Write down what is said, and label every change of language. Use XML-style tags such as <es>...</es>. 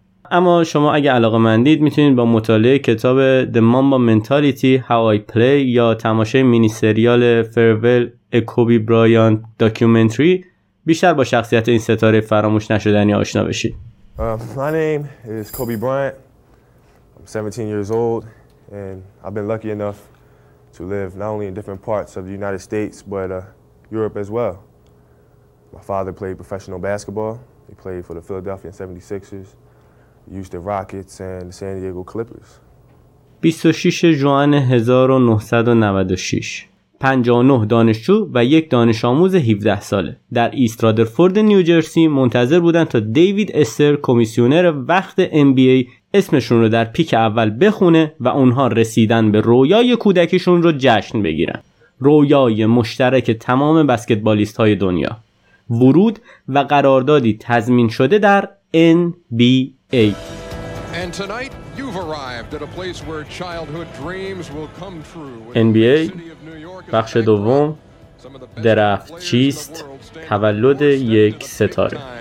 <fa>اما شما اگه علاقه مندید میتونید با مطالعه کتاب The Mamba Mentality How I Play یا تماشای مینی سریال Farewell A Kobe Bryant Documentary بیشتر با شخصیت این ستاره فراموش نشدنی آشنا بشید.</fa> <en>My name is Kobe Bryant. I'm 17 years old and I've been lucky enough to live not only in different parts of the United States but Europe as well. My father played professional basketball. He played for the Philadelphia 76ers. Used the Rockets and San Diego Clippers.</en> <fa>26 جوان 1996 59 دانشجو و یک دانش آموز 17 ساله در ایست رادرفورد نیوجرسی منتظر بودن تا دیوید استر کمیسیونر وقت NBA اسمشون رو در پیک اول بخونه و اونها رسیدن به رویای کودکیشون رو جشن بگیرن. رویای مشترک تمام بسکتبالیست های دنیا، ورود و قراردادی تضمین شده در NBA.</fa> <en>And tonight you've arrived at a place where childhood dreams will come true.</en> <fa>NBA بخش دوم، درفت چیست؟ تولد یک ستاره.</fa>